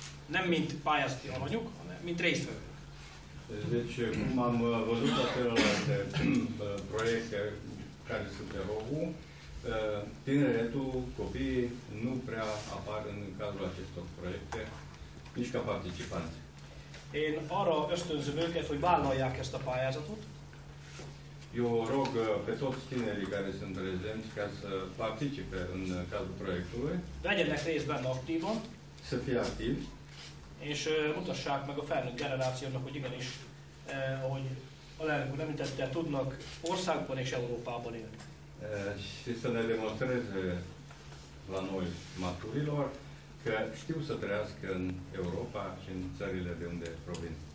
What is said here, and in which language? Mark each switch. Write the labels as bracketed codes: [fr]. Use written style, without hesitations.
[hu] Nem mint pályázati alanyuk, hanem mint résztvevők. [ro] Deci, cum am văzut a celelalte proiecte care sunt de rogu, Tineretul, copiii nu prea apar în cadrul acestor proiecte, nici ca participanți. [hu] Én arra ösztönzöm őket, hogy vállalják ezt a pályázatot. [ro] Eu rog pe toți tinerii care sunt prezenți ca să participe în cadrul proiectului. [hu] Vegyenek részt benne aktívan. [ro] Să fie activ. [hu] És mutassák meg a felnőtt generációnak, hogy igenis, ahogy Alelnök úr említette, tudnak országban és Európában élni. [ro] Și să ne demonstreze la noi maturilor că știu să trăiască în Europa și în țările de unde provin.